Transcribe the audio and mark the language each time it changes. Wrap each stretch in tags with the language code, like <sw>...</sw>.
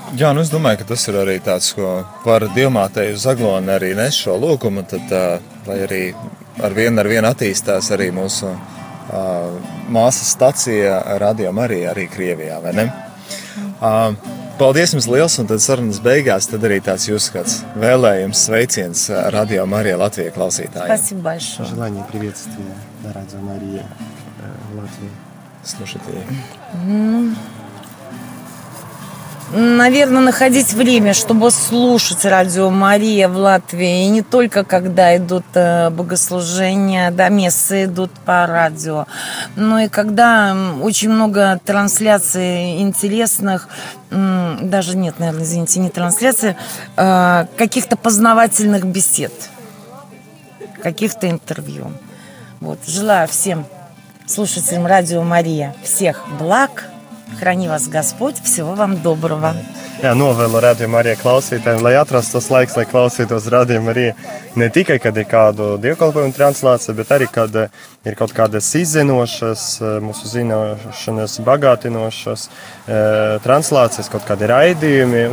<lv>Jā, nu es domāju, ka tas ir arī tāds, ko par Dievmātei uz Aglonu arī nes šo lūkumu, tad lai arī ar vienu attīstās arī mūsu māsas stacija Radio Marija arī Krievijā, vai ne? Paldies jums liels, un tad sarunas beigās, tad arī tāds jūs skats. Vēlējums sveiciens Radio Marija Latvija klausītājiem.</lv> <ru>Спасибо большое. Желание приветствия на Радио Мария Латвия. Слушайте. Наверное, находить время, чтобы слушать Радио Мария в Латвии, и не только когда идут богослужения, да, мессы идут по радио, но и когда очень много трансляций интересных, даже нет, наверное, извините, не трансляции, каких-то познавательных бесед, каких-то интервью. Вот, желаю всем слушателям Радио Мария всех благ. Храни вас Господь, всего вам доброго.</ru> <lv>Jā, novēlu Radio Marija klausītājiem, lai atrastu tos laiks, lai klausītos Radio Marija ne tikai, kad ir kādu dievkalpojumu translācija, bet arī, kad ir kaut kādas izzinošas, mūsu zināšanas bagātinošas translācijas, kaut kādi raidījumi.</lv>